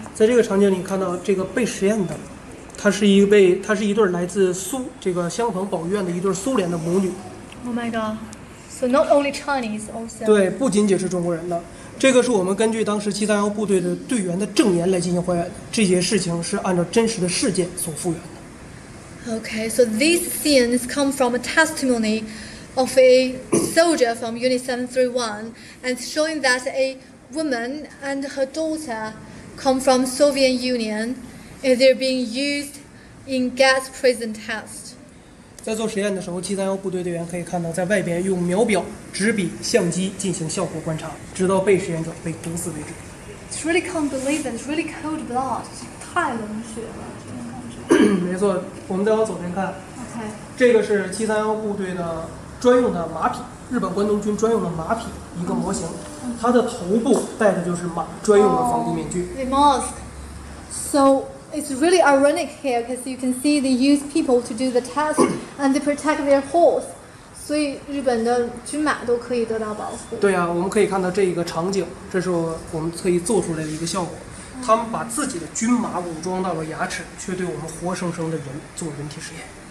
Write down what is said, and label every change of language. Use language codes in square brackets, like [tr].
[zh] 在这个场景里看到这个被实验的，他是一对来自苏这个香港保育院的一对苏联的母女。 [en] Oh my god. So not only Chinese also. [zh] 对，不仅仅是中国人的。这个是我们根据当时731部队的队员的证言来进行还原的，这些事情是按照真实的事件所复原的。 [en] Okay, so these scenes come from a testimony of a soldier from Unit 731 and showing that a woman and her daughter come from Soviet Union and they're being used in gas prison test. [zh] 在做实验的时候731部队队员可以看到在外边用秒表纸笔相机进行效果观察，直到被实验者被毒死为止。 [en] It's really can't believe that it's really cold blood. [zh] 太冷血了，这种感觉。没错，我们再往左边看。 [en] OK。 [zh] 这个是731部队的专用的马匹，日本关东军专用的马匹一个模型。 [en] Okay. [zh] 它的头部戴的就是马专用的防毒面具。 [en] Oh, the mask. So it's really ironic here because you can see they use people to do the test and they protect their horse. [zh] 所以日本的军马都可以得到保护。对啊，我们可以看到这一个场景，这是我们可以做出来的一个效果。他们把自己的军马武装到了牙齿，却对我们活生生的人做人体实验。